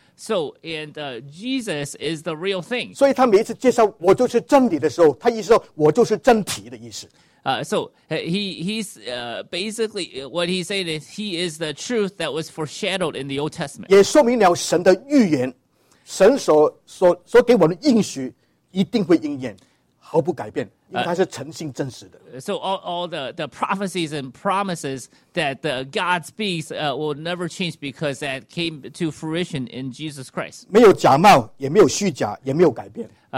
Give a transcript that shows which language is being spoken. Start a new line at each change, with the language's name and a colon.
English: So, and Jesus is the real thing.
Chinese: 所以他每一次介绍我就是真理的时候, 他意思说我就是真体的意思。
English: So he's basically, what he's saying is he is the truth that was foreshadowed in the Old Testament.
Chinese: 也说明了神的预言, 神所给我们应许, 一定会应验。毫不改变,因为他是诚信真实的。
English: So all the prophecies and promises that God speaks will never change, because that came to fruition in Jesus Christ.
Chinese: 没有假冒,也没有虚假,也没有改变。